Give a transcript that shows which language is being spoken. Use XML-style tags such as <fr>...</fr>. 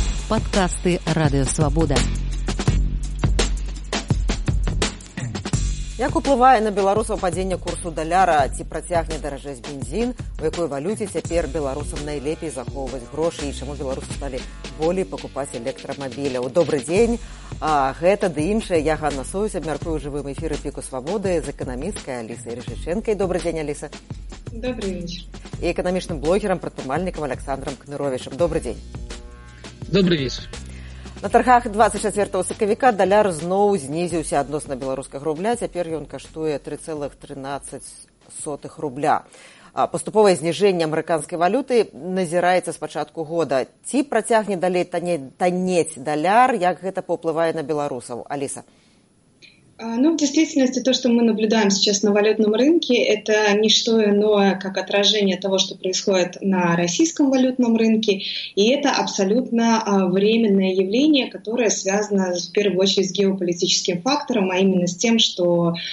<ru>подкасты «Радио Свобода».</ru> <be>Як уплывае на беларусаў падзенне курсу даляра, ці працягне даражэць бензін, у якой валюце цяпер беларусам найлепей захоўваць грошы і чаму беларусы сталі болей пакупаць электрамабіляў. Добры дзень. А гэта ды іншае, я Ганна Союз, абмяркую ў жывым эфіры Піку Свабоды з эканамісткай Алісай Рыжыченкай. Добры дзень, Аліса. Добры вечар. І эканамічным блогерам, прадпрымальнікам Аляксандрам Кныровічам. Добры дзень. Добры вечар. На таргах 24 сакавіка даляр зноў знізіўся адносна беларускага рубля. Цяпер ён каштуе 3,13 рубля. А паступовае зніжэнне амерыканскай валюты назіраецца з пачатку года. Ці працягне далей таннець даляр, як гэта паўплывае на беларусаў? Аліса.</be> <ru>Ну, в действительности, то, что мы наблюдаем сейчас на валютном рынке, это не что иное, как отражение того, что происходит на российском валютном рынке, и это абсолютно временное явление, которое связано в первую очередь с геополитическим фактором, а именно с тем, что</ru>